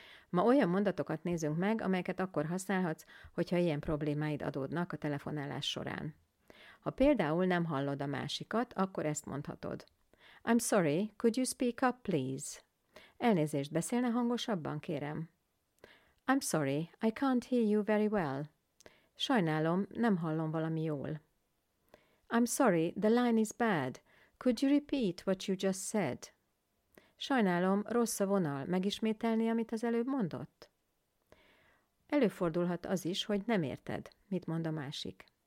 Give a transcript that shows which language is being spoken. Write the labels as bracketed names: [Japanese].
[Hungarian] Ma olyan mondatokat nézünk meg, amelyeket akkor használhatsz, hogyha ilyen problémáid adódnak a telefonálás során. Ha például nem hallod a másikat, akkor ezt mondhatod. [English] I'm sorry, could you speak up, please? [Hungarian] Elnézést, beszélne hangosabban, kérem? [English] I'm sorry, I can't hear you very well. [Hungarian] Sajnálom, nem hallom valami jól. [English] I'm sorry, the line is bad. Could you repeat what you just said? [Hungarian] Sajnálom, rossz a vonal, megismételni, amit az előbb mondott? Előfordulhat az is, hogy nem érted, mit mond a másik.